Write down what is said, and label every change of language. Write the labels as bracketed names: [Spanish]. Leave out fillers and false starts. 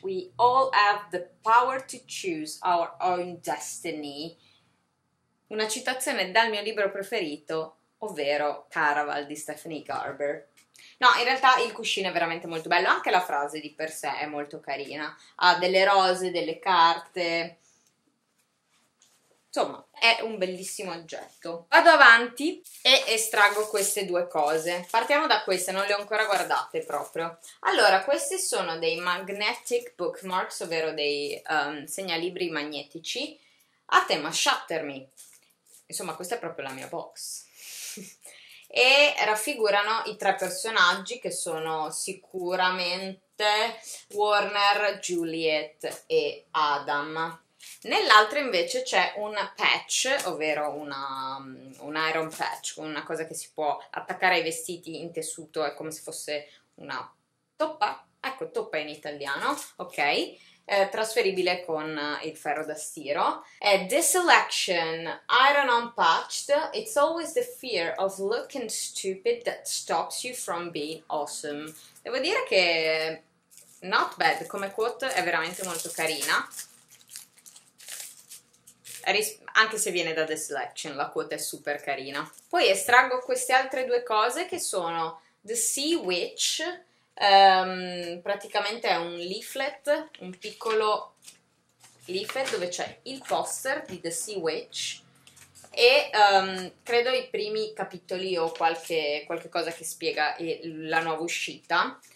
[English] We all have the power to choose our own destiny. [Italian] Una citazione dal mio libro preferito, ovvero Caraval di Stephanie Garber. No, in realtà il cuscino è veramente molto bello, anche la frase di per sé è molto carina. Ha delle rose, delle carte. Insomma, è un bellissimo oggetto. Vado avanti e estraggo queste due cose. Partiamo da queste, non le ho ancora guardate proprio. Allora, questi sono dei magnetic bookmarks, ovvero dei segnalibri magnetici a tema Shatter Me. Insomma, questa è proprio la mia box. E raffigurano i tre personaggi che sono sicuramente Warner, Juliet e Adam. Nell'altro invece c'è un patch, ovvero un iron patch, una cosa che si può attaccare ai vestiti in tessuto, è come se fosse una toppa. Ecco, toppa in italiano, ok? trasferibile con il ferro da stiro. È [English] This election, iron unpatched, it's always the fear of looking stupid that stops you from being awesome. [Italian] Devo dire che [English] not bad [Italian] come quote, è veramente molto carina. Anche se viene da The Selection, la quote è super carina. Poi estraggo queste altre due cose che sono The Sea Witch, praticamente è un leaflet, un piccolo leaflet dove c'è il poster di The Sea Witch e credo i primi capitoli o qualche cosa che spiega la nuova uscita.